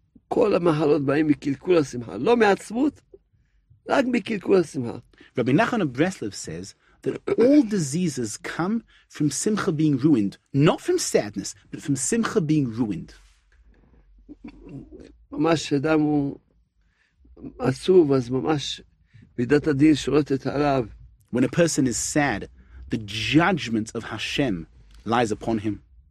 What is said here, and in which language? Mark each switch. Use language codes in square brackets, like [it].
[he] כל המחלות באים מקלקול השמחה, לא מעצמות, רק מקלקול השמחה. [en] Rabbi Nachman of Breslov says that all diseases come from simcha being ruined, not from sadness, but from simcha being ruined. [he] ממש שאדם הוא עצוב, אז ממש מידת הדין שולטת עליו. [en] When a person is sad, the judgment of Hashem lies upon him.